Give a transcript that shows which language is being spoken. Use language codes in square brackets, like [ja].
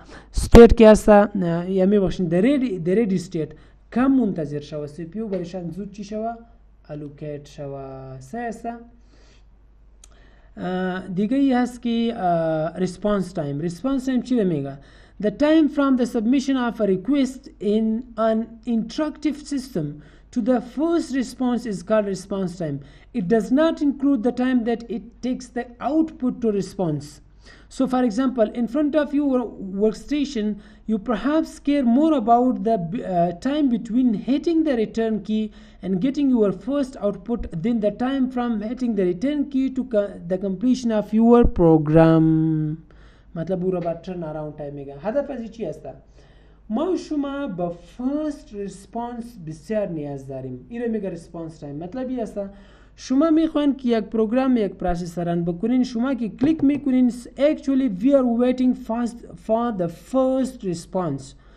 [fa] ستیت که است یا می باشین در ریدی ستیت کم منتظر شوه سی پیو برشان زود چی شوه الوکیت شوه سه است دیگه ای هست که ریسپانس تایم چی میگه [en] The time from the submission of a request in an interactive system to the first response is called response time. It does not include the time that it takes the output to response. So, for example, in front of your workstation, you perhaps care more about the time between hitting the return key and getting your first output than the time from hitting the return key to the completion of your program. [fa] مطلب او را با ترن آراؤن تایم میگه هدف از چی است؟ ما شما با فرست ریسپانس بسیار نیاز داریم این را میگه ریسپانس تایم مطلب این است شما میخواین که یک پروگرام یک پروسس ران بکنین شما که کلیک میکنین [en] actually we are waiting fast for the first response